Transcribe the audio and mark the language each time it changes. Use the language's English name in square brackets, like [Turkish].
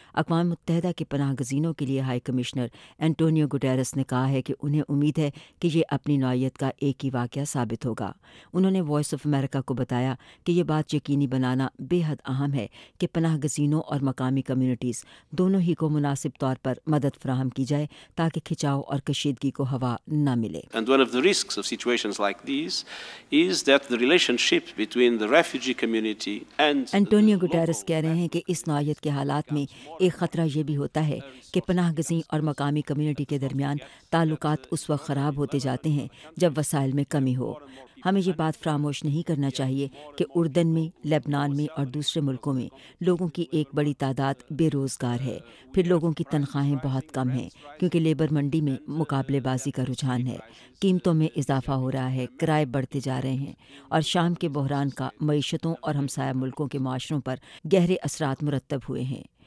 [Urdu] اقوام متحدہ کے پناہ گزینوں کے لیے ہائی کمشنر اینٹونیو گوٹیرس نے کہا ہے کہ انہیں امید ہے کہ یہ اپنی نوعیت کا ایک ہی واقعہ ثابت ہوگا۔ انہوں نے وائس آف امریکہ کو بتایا کہ یہ بات یقینی بنانا بے حد اہم ہے کہ پناہ گزینوں اور مقامی کمیونٹیز دونوں ہی کو مناسب طور پر مدد فراہم کی جائے تاکہ کھچاؤ اور کشیدگی کو ہوا نہ ملے۔ [English] And one of the risks of situations like these is that the relationship between the refugee community and [Urdu] Antonio Guterres کہہ رہے ہیں کہ اس نوعیت کے حالات میں ایک خطرہ یہ بھی ہوتا ہے کہ پناہ گزین اور مقامی کمیونٹی کے درمیان تعلقات اس وقت خراب ہوتے جاتے ہیں جب وسائل میں کمی ہو۔ ہمیں یہ بات فراموش نہیں کرنا چاہیے کہ اردن میں، لبنان میں اور دوسرے ملکوں میں لوگوں کی ایک بڑی تعداد بے روزگار ہے، پھر لوگوں کی تنخواہیں بہت کم ہیں کیونکہ لیبر منڈی میں مقابلے بازی کا رجحان ہے، قیمتوں میں اضافہ ہو رہا ہے، کرائے بڑھتے جا رہے ہیں، اور شام کے بحران کا معیشتوں اور ہمسایہ ملکوں کے معاشروں پر گہرے اثرات مرتب ہوئے ہیں۔